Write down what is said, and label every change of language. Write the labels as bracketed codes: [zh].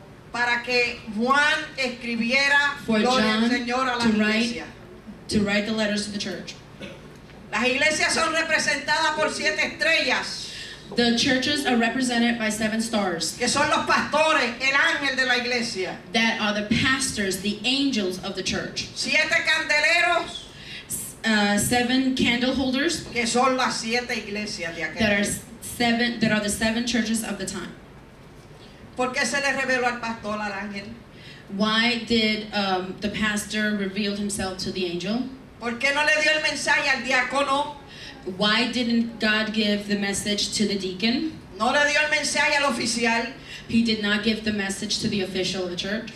[es] Para que Juan escribiera, [en] for [es] gloria [en] John [es] al Señor, a la iglesia. [en] To write the letters to the church. [es] Las iglesias son representadas por siete estrellas. [en] The churches are represented by seven stars. [es] Que son los pastores, el ángel de la iglesia. [en] That are the pastors, the angels of the church. [es] Siete candeleros. [en] Seven candle holders. [es] Que son las siete iglesias de aquel. [en] That are the seven churches of the time. [es] ¿Por qué se le reveló al pastor, al ángel? [en] Why did the pastor reveal himself to the angel? [es] ¿Por qué no le dio el mensaje al diácono? [en] Why didn't God give the message to the deacon? [es] No le dio el mensaje al oficial. [en] He did not give the message to the official of the church.